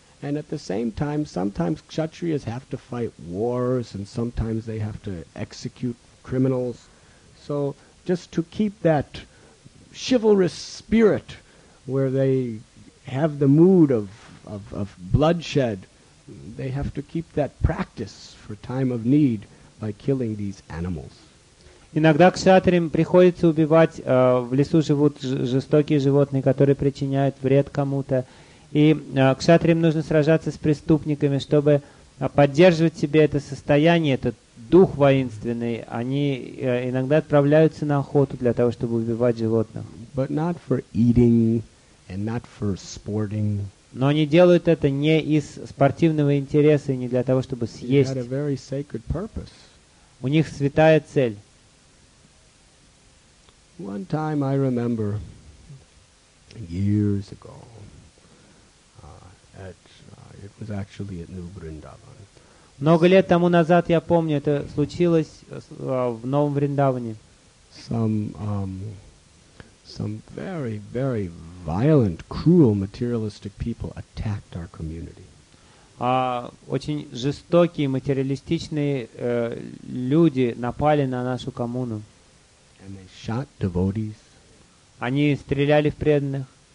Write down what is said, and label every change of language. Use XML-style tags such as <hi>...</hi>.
<en>And at the same time, sometimes kshatriyas have to fight wars and sometimes they have to execute criminals. So just to keep that chivalrous spirit where they have the mood of bloodshed, they have to keep that practice for time of need by killing these animals.</en> <ru>Иногда кшатриям приходится убивать, в лесу живут жестокие животные, которые причиняют вред кому-то. И кшатриям нужно сражаться с преступниками, чтобы поддерживать себе это состояние, этот дух воинственный. Они иногда отправляются на охоту для того, чтобы убивать животных.</ru> <en>But not for eating. And not for sporting.</en> <ru>Но они делают это не из спортивного интереса, не для того, чтобы съесть.</ru> <en>They had a very sacred purpose.</en> <ru>У них святая цель.</ru> <en>One time I remember, years ago, it was actually at New Vrindavan.</en> <ru>Много лет тому назад, я помню, это случилось в Новом Вриндаване.</ru> <en>Some very, very violent, cruel, materialistic people attacked our community.</en> <ru>Очень жестокие, материалистичные люди напали на нашу коммуну.</ru> <en>And they shot devotees.</en> <ru>Они стреляли в преданных.</ru>